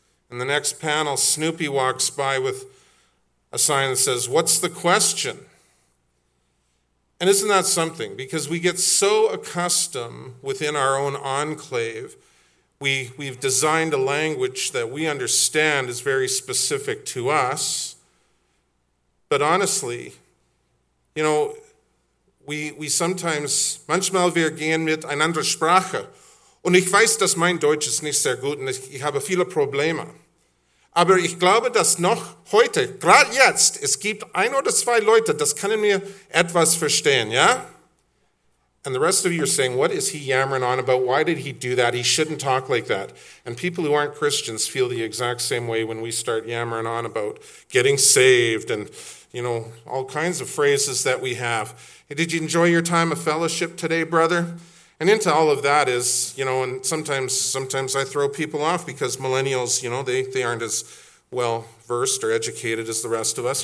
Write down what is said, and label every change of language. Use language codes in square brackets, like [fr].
[en] And the next panel, Snoopy walks by with a sign that says, what's the question? And isn't that something? Because we get so accustomed within our own enclave, we've designed a language that we understand is very specific to us. But honestly, you know, we sometimes, [de] manchmal wir gehen mit einander Sprache. Und ich weiß, dass mein Deutsch ist nicht sehr gut und ich habe viele Probleme. Aber ich glaube, dass noch heute, gerade jetzt, es gibt ein oder zwei Leute, das können mir etwas verstehen, ja? [en] And the rest of you are saying, what is he yammering on about? Why did he do that? He shouldn't talk like that. And people who aren't Christians feel the exact same way when we start yammering on about getting saved and, you know, all kinds of phrases that we have. Hey, did you enjoy your time of fellowship today, brother? And into all of that is, you know, and sometimes I throw people off because millennials, you know, they aren't as well-versed or educated as the rest of us.